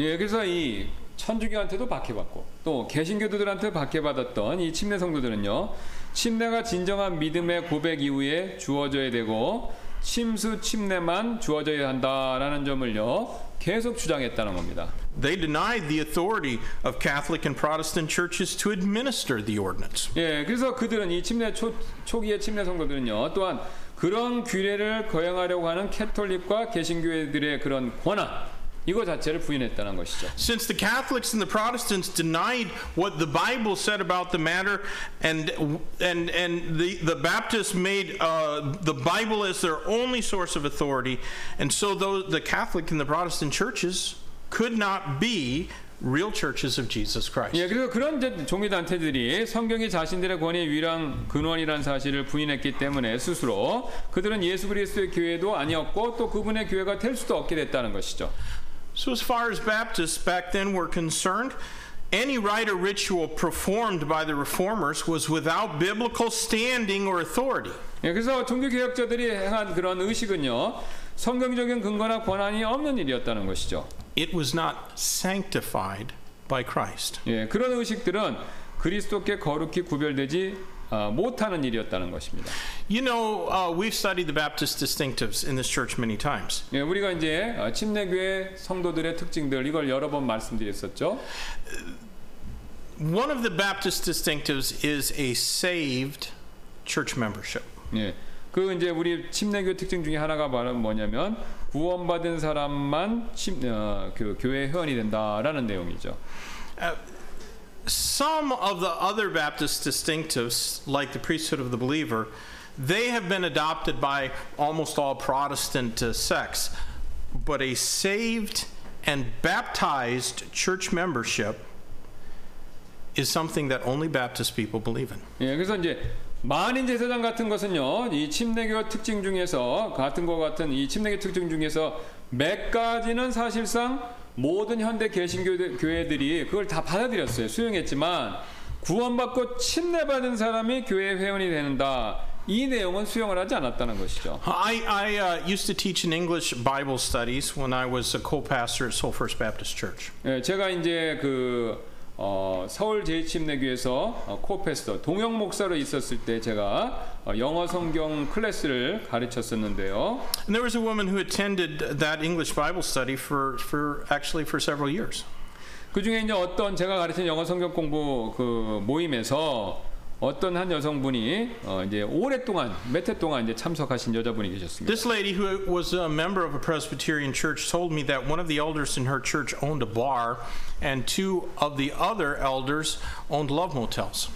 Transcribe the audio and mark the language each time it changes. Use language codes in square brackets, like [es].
[ko] 예, 그래서 이 천주교한테도 박해받고 또 개신교도들한테 박해받았던 이 침례 성도들은요. 침례가 진정한 믿음의 고백 이후에 주어져야 되고 침수 침례만 주어져야 한다라는 점을요 계속 주장했다는 겁니다. [en] They denied the authority of Catholic and Protestant churches to administer the ordinance. [ko] 예, 그래서 그들은 이 침례 초기의 침례 성도들은요 또한 그런 규례를 거행하려고 하는 캐톨릭과 개신교회들의 그런 권한 이거 자체를 부인했다는 것이죠. [en] Since the Catholics and the Protestants denied what the Bible said about the matter and the Baptists made the Bible as their only source of authority and so those the Catholic and the Protestant churches could not be real churches of Jesus Christ. [ko] 예, 그리고 그런 종교 단체들이 성경이 자신들의 권위의 위랑 근원이라는 사실을 부인했기 때문에 스스로 그들은 예수 그리스도의 교회도 아니었고 또 그분의 교회가 될 수도 없게 됐다는 것이죠. [en] So as far as Baptists back then were concerned, any rite or ritual performed by the reformers was without biblical standing or authority. [ko] 예, 그래서 종교개혁자들이 행한 그런 의식은요, 성경적인 근거나 권한이 없는 일이었다는 것이죠. [en] It was not sanctified by Christ. [ko] 예, 그런 의식들은 그리스도께 거룩히 구별되지 못하는 일이었다는 것입니다. [en] You know, we've studied the Baptist distinctives in this church many times. [ko] 예, 우리가 이제 침례교회 성도들의 특징들 이걸 여러 번 말씀드렸었죠. [en] One of the Baptist distinctives is a saved church membership. [ko] 예, 그 이제 우리 침례교회 특징 중에 하나가 뭐냐면 구원받은 사람만 교회 회원이 된다라는 내용이죠. [en] Some of the other Baptist distinctives, like the priesthood of the believer, they have been adopted by almost all Protestant sects. But a saved and baptized church membership is something that only Baptist people believe in. [ko] 예, 그래서 이제 만인 제사장 같은 것은요, 이 침례교 특징 중에서 같은 것 같은 이 침례교 특징 중에서 몇 가지는 사실상 모든 현대 개신교회들이 그걸 다 받아들였어요. 수용했지만 구원받고 침례받은 사람이 교회 회원이 된다. 이 내용은 수용을 하지 않았다는 것이죠. [en] I used to teach in English Bible studies when I was a co-pastor at Seoul First Baptist Church. [ko] 예, 제가 이제 그 서울 제1침례교회에서 코패스터 동영 목사로 있었을 때 제가 영어 성경 클래스를 가르쳤었는데요. [en] And there was a woman who attended that English Bible study for several years. [ko] 그 중에 이제 어떤 제가 가르친 영어 성경 공부 그 모임에서 어떤 한 여성분이 이제 오랫동안 몇 해 동안 이제 참석하신 여자분이 계셨습니다. [en] This lady who was a member of a Presbyterian church told me that one of the elders in her church owned a bar and two of the other elders owned love motels.